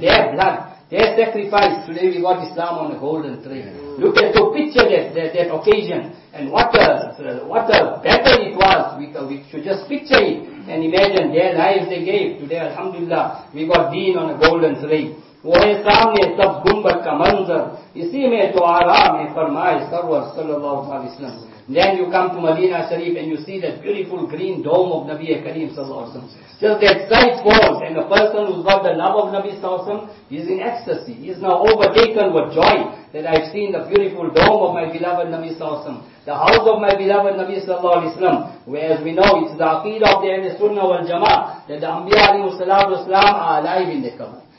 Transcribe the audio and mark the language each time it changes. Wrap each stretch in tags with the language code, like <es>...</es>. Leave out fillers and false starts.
<en>Their blood, their sacrifice. Today we got Islam on a golden tray. Look at the picture that occasion. And what a battle it was. We should just picture it and imagine their lives they gave. Today, alhamdulillah, we got deen on a golden tray.</en> <ur>وہ ہے سامنے سب گنبد کا منظر. اسی میں تو آرام ہے فرمائے سرور صلی اللہ علیہ وسلم.</ur> <en>Then you come to Medina Sharif and you see the beautiful green dome of Nabi Kareem sallallahu alaihi wasallam. Till that sight falls and the person who's got the love of Nabi sallallahu alaihi wasallam is in ecstasy. He is now overtaken with joy that I've seen the beautiful dome of my beloved Nabi sallallahu alaihi wasallam, the house of my beloved Nabi sallallahu alaihi wasallam. Whereas we know it's the aqeedah of the Ahl Sunnah wal Jamaah that the Anbiya alayhi salatu wasalam are alive in the qabr.</en>